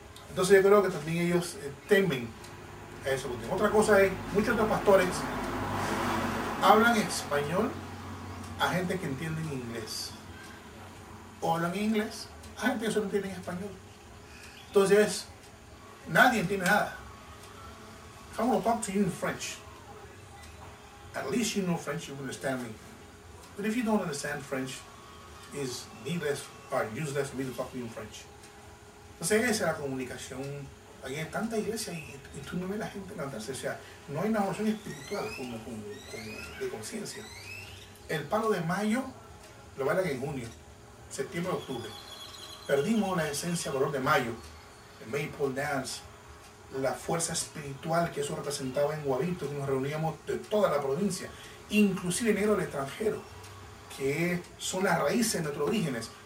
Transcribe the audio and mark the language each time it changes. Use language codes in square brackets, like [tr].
[es] Entonces yo creo que también ellos temen a eso. Otra cosa es, muchos de los pastores hablan español a gente que entiende inglés. O hablan inglés a gente que solo entiende español. Entonces, nadie entiende nada. [en] If I'm going to talk to you in French, at least you know French, you understand me. But if you don't understand French, it's needless. Are useless for me to talk to you in French. [es] Entonces esa es la comunicación. Aquí hay tanta iglesia y tú no ves la gente levantarse. O sea, no hay una emoción espiritual como de conciencia. El palo de mayo lo bailan en junio, septiembre, octubre. Perdimos la esencia, el valor de mayo, el Maple Dance, la fuerza espiritual que eso representaba en Guavito, que nos reuníamos de toda la provincia, inclusive negros del extranjero, que son las raíces de nuestros orígenes.